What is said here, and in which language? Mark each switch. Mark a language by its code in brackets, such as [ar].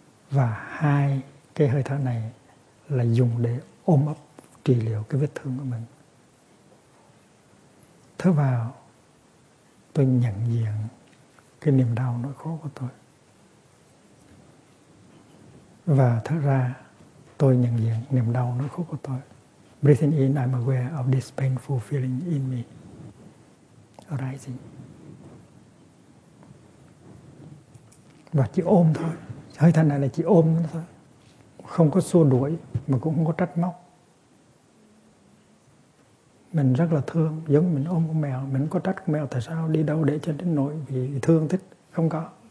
[vi] Và hai cái hơi thở này là dùng để ôm ấp trị liệu cái vết thương của mình. Thở vào, tôi nhận diện cái niềm đau nỗi khổ của tôi. Và thở ra, tôi nhận diện niềm đau nỗi khổ của tôi. [en] Breathing in, I'm aware of this painful feeling in me arising. [vi] Và chỉ ôm thôi. Hơi thở này là chỉ ôm nó thôi. Không có xua đuổi, mà cũng không có trách móc. Mình rất là thương, giống mình ôm con mèo. Mình không có trách con mèo tại sao đi đâu để cho đến nỗi vì thương thích. Không có.